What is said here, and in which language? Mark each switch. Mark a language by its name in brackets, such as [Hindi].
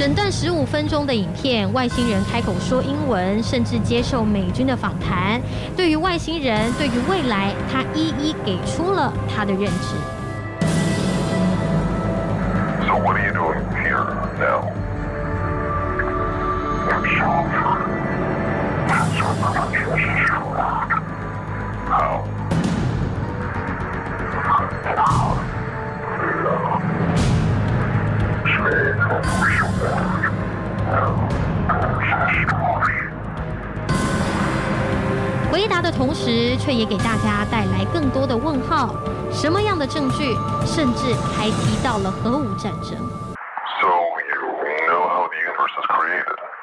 [Chinese] 15分钟的影片，外星人开口说英文，甚至接受美军的访谈。对于外星人，对于未来，他一一给出了他的认知。 [English] So what are you doing here now? I'm sorry. I'm sorry. I'm sorry. How? Oh, that's a story. [Chinese] 回答的同时，却也给大家带来更多的问号。什么样的证据？甚至还提到了核武战争。 [English] So you know how the universe is created?